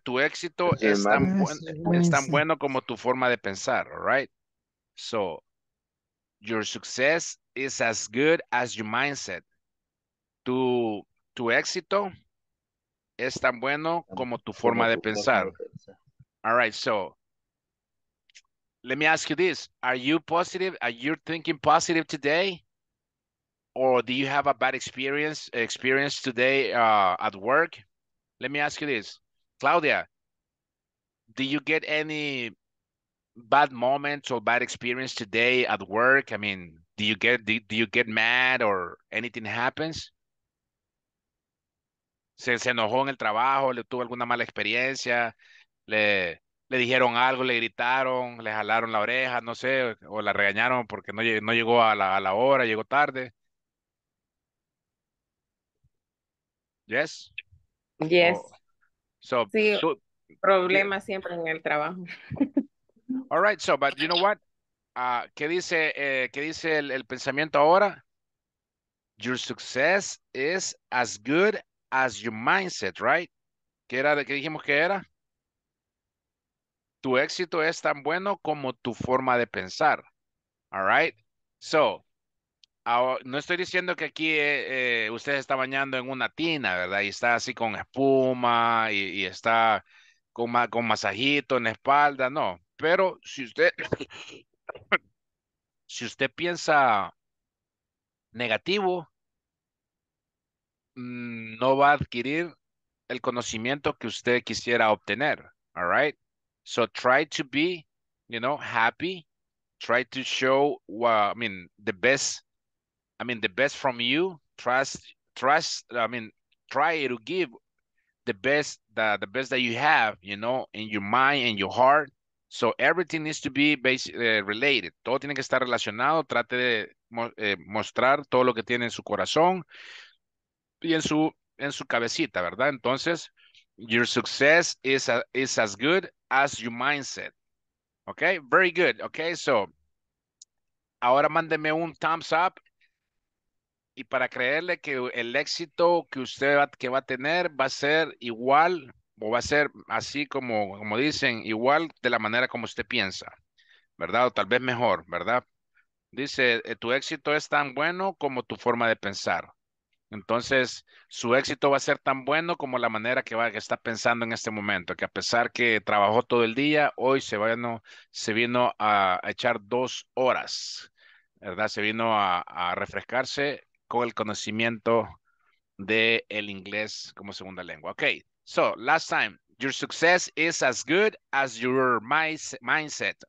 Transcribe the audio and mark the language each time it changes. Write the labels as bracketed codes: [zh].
[es] Tu éxito es tan bueno como tu forma de pensar, [en] all right? So, your success is as good as your mindset. [es] Tu éxito es tan bueno como tu forma de pensar. [en] All right, so, let me ask you this. Are you positive? Are you thinking positive today? Or do you have a bad experience today at work? Let me ask you this. Claudia, do you get any bad moments or bad experience today at work? I mean, do you get mad or anything happens? [es] ¿Se enojó en el trabajo? ¿Le tuvo alguna mala experiencia? ¿Le dijeron algo? ¿Le gritaron? ¿Le jalaron la oreja? No sé, o la regañaron porque no llegó a la hora, llegó tarde. [en] Yes. Yes. So [es] problemas siempre en el trabajo. [en] All right. So, but you know what? [es] ¿Qué dice el pensamiento ahora? [en] Your success is as good as your mindset, right? [es] ¿Qué era de qué dijimos que era? Tu éxito es tan bueno como tu forma de pensar. [en] All right. So. [es] No estoy diciendo que aquí usted está bañando en una tina, ¿verdad? Y está así con espuma y está con masajito en la espalda, no. Pero si usted piensa negativo, no va a adquirir el conocimiento que usted quisiera obtener, [en] all right? So try to be, you know, happy. Try to show, the best from you. Try to give the best that you have, you know, in your mind, in your heart, So everything needs to be related. [es] Todo tiene que estar relacionado. Trate de mostrar todo lo que tiene en su corazón y en su cabecita, ¿verdad? [en] Entonces, your success is as good as your mindset. Okay, very good. Okay, so [es] ahora mándeme un [en] thumbs up. [es] Y para creerle que el éxito que usted va a tener va a ser igual o va a ser así como dicen, igual de la manera como usted piensa, ¿verdad? O tal vez mejor, ¿verdad? Dice, tu éxito es tan bueno como tu forma de pensar. Entonces, su éxito va a ser tan bueno como la manera que está pensando en este momento, que a pesar que trabajó todo el día, hoy se vino a echar 2 horas, ¿verdad? Se vino a refrescarse con el conocimiento del inglés como segunda lengua. [en] Okay, so last time, your success is as good as your mindset.